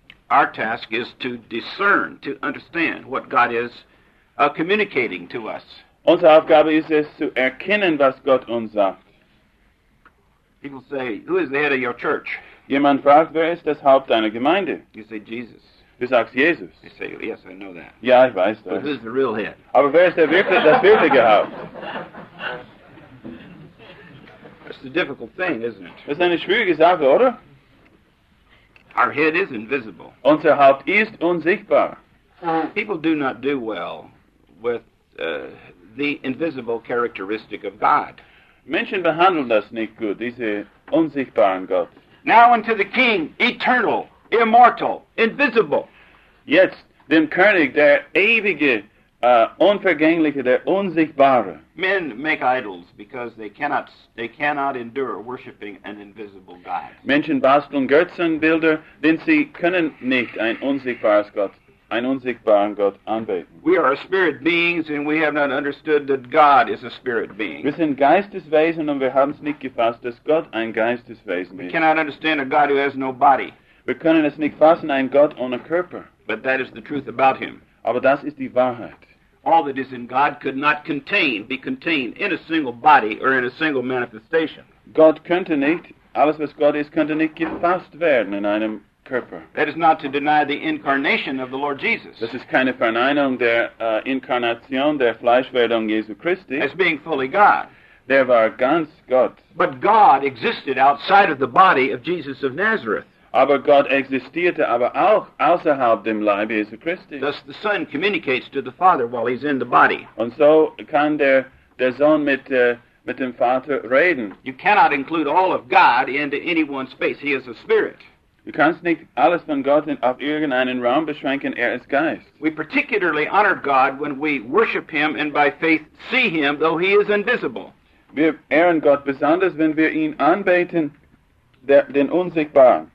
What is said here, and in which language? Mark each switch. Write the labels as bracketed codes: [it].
[en] Our task is to discern, to understand what God is communicating to us. [de] Unsere Aufgabe ist es zu erkennen, was Gott uns sagt. [en] People say, "Who is the head of your church?" [de] Jemand fragt, wer ist das Haupt deiner Gemeinde? [en] You say, Jesus. [de] Du sagst Jesus. [en] I say, yes, I know that. [de] Ja, ich weiß das. [en] But who's the real head? [de] Aber wer ist das wirkliche Haupt? [en] That's a difficult thing, isn't it? [de] Das ist eine schwierige Sache, oder? [en] Our head is invisible. [de] Unser Haupt ist unsichtbar. [en] People do not do well with the invisible characteristic of God. [de] Menschen behandeln das nicht gut, diese unsichtbaren Gott. [en] Now unto the King, eternal, immortal, invisible. [de] Jetzt dem König, der ewige, unvergängliche, der unsichtbare. [en] Men make idols because they cannot endure worshiping an invisible God. [de] Menschen basteln Götzenbilder, denn sie können nicht einen unsichtbaren Gott anbeten. [en] We are spirit beings and we have not understood that God is a spirit being. [de] Wir sind Geisteswesen und wir haben es nicht gefasst, dass Gott ein Geisteswesen ist. [en] We cannot understand a God who has no body. [de] Wir können es nicht fassen, ein Gott ohne Körper. [en] But that is the truth about him. [de] Aber das ist die Wahrheit. [en] All that is in God could not be contained in a single body or in a single manifestation. [de] Gott könnte nicht, alles was Gott ist, könnte nicht gefasst werden in einem Körper. [en] That is not to deny the incarnation of the Lord Jesus. [de] Das ist keine Verneinung der Inkarnation, der Fleischwerdung Jesu Christi. [en] As being fully God. [de] Der war ganz Gott. [en] But God existed outside of the body of Jesus of Nazareth. [de] Aber Gott existierte aber auch außerhalb dem Leib Jesu Christi. [en] Thus the Son communicates to the Father while he's in the body. [de] Und so kann der Sohn mit dem Vater reden. [en] You cannot include all of God into any one space. He is a spirit. [de] Du kannst nicht alles von Gott auf irgendeinen Raum beschränken. Er ist Geist. [en] We particularly honor God when we worship him and by faith see him, though he is invisible. [de] Wir ehren Gott besonders, wenn wir ihn anbeten, den Unsichtbaren.